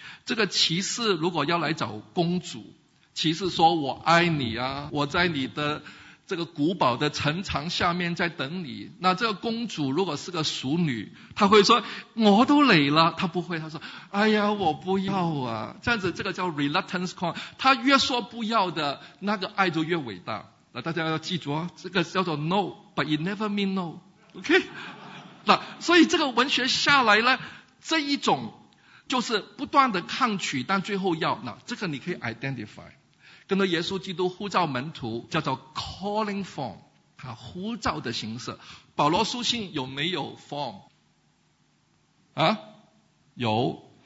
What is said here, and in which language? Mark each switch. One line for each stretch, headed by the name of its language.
Chinese: 这个骑士如果要来找公主，骑士说我爱你啊，我在你的这个古堡的城墙下面在等你，那这个公主如果是个淑女，她会说我都来了，她不会，她说哎呀我不要啊，这样子，这个叫 reluctance call， 她越说不要的那个爱就越伟大。那大家要记住啊，这个叫做
English: no but it never mean no，
Chinese: OK。那所以这个文学下来呢，这一种就是不断的抗拒，但最后要，那这个你可以 identify， 跟着耶稣基督呼召门徒叫做 calling form， 啊，呼召的形式。保罗书信有没有 form？ 啊，有。